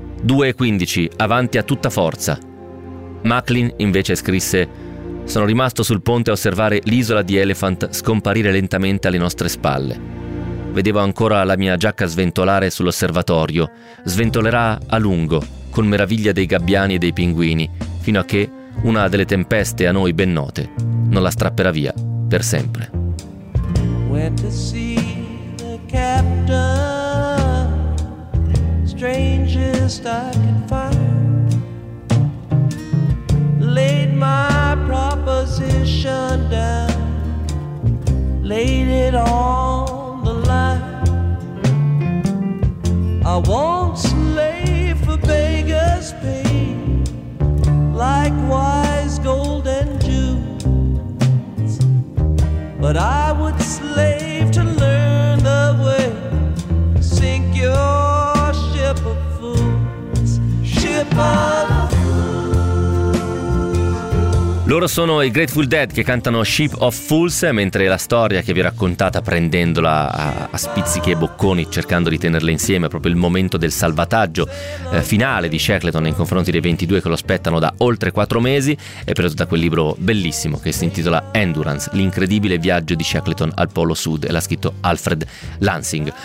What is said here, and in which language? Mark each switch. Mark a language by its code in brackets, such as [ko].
[it] 2:15, avanti a tutta forza. Macklin invece scrisse «Sono rimasto sul ponte a osservare l'isola di Elephant scomparire lentamente alle nostre spalle. Vedevo ancora la mia giacca sventolare sull'osservatorio, sventolerà a lungo, con meraviglia dei gabbiani e dei pinguini, fino a che una delle tempeste a noi ben note non la strapperà via per sempre». [en] Went to see the captain, strangest I could find. Laid my proposition down, laid it on the line. I won't slave for beggar's pay. Likewise, gold and jewels, but I would slave to learn the way. Sink your ship of fools, ship of fools. [it] Loro sono i Grateful Dead che cantano Ship of Fools, mentre la storia che vi ho raccontata prendendola a spizzichi e bocconi, cercando di tenerle insieme, proprio il momento del salvataggio finale di Shackleton nei confronti dei 22 che lo aspettano da oltre 4 mesi, è preso da quel libro bellissimo che si intitola Endurance, l'incredibile viaggio di Shackleton al Polo Sud, e l'ha scritto Alfred Lansing.